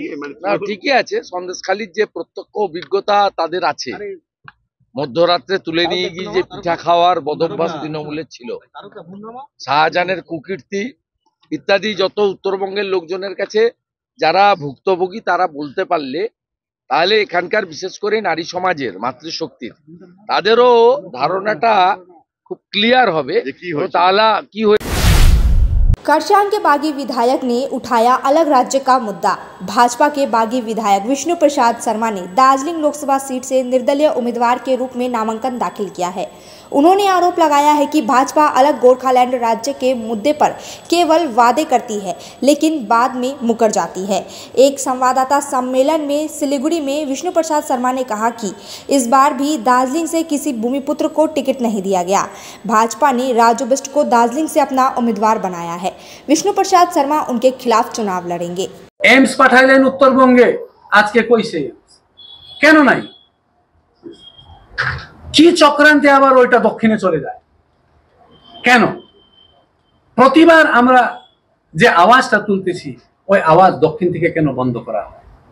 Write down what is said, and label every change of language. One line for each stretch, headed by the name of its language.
Bangla: মানে ঠিকই আছে, সন্দেশখালীর যে প্রত্যক্ষ অভিজ্ঞতা তাদের আছে, মধ্যরাত্রে তুলে নিয়ে গিয়ে যে পিঠা খাওয়ার বদভ্যাস তৃণমূলের ছিল, শাহজাহানের কুকীর্তি ইত্যাদি যত উত্তরবঙ্গের লোকজনের কাছে যারা ভুক্তভোগী তারা বলতে পারলে, তাহলে এখানকার বিশেষ করে নারী সমাজের, মাতৃশক্তির, তাদেরও ধারণাটা খুব ক্লিয়ার হবে তাহলে কি হয়ে।
Hindi: कर्शियांग के बागी विधायक ने उठाया अलग राज्य का मुद्दा, भाजपा के बागी विधायक विष्णु प्रसाद शर्मा ने दार्जिलिंग लोकसभा सीट से निर्दलीय उम्मीदवार के रूप में नामांकन दाखिल किया है। उन्होंने आरोप लगाया है कि भाजपा अलग गोरखालैंड राज्य के मुद्दे पर केवल वादे करती है लेकिन बाद में मुकर जाती है। एक संवाददाता सम्मेलन में सिलीगुड़ी में विष्णु प्रसाद शर्मा ने कहा कि इस बार भी दार्जिलिंग से किसी भूमिपुत्र को टिकट नहीं दिया गया, भाजपा ने राजू बिष्ट को दार्जिलिंग से अपना उम्मीदवार बनाया है, विष्णु प्रसाद शर्मा उनके खिलाफ चुनाव लड़ेंगे।
Bangla: एम्स पठाई लेन উত্তরবঙ্গে আজ কে কইছে কেন নাই কি চক্রান্তে আবার ওইটা দক্ষিণে চলে যায় কেন? প্রতিবার আমরা যে আওয়াজটা তুলতেছি ওই আওয়াজ দক্ষিণ থেকে কেন বন্ধ করা হয়?